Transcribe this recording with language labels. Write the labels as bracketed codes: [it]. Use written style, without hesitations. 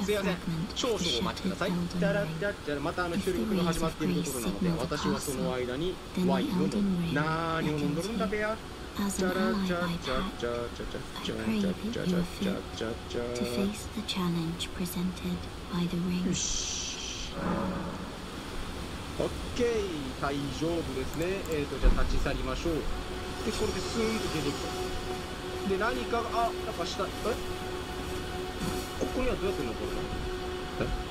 [ja] すいません、少々お待ちください。ダラッダッダラ、またあの収録の始まっているところなので、私はその間にワインを飲む。何を飲んどるんだべや。 [en] As an ally I've had, I pray that you are fit to face the challenge presented by the ring. [ja] よし。オッケー、大丈夫ですね。じゃあ立ち去りましょう。で、これでスーンと出てきた。で、何かが、あ、なんか下、え？ここにはどうやってんの、これ。え？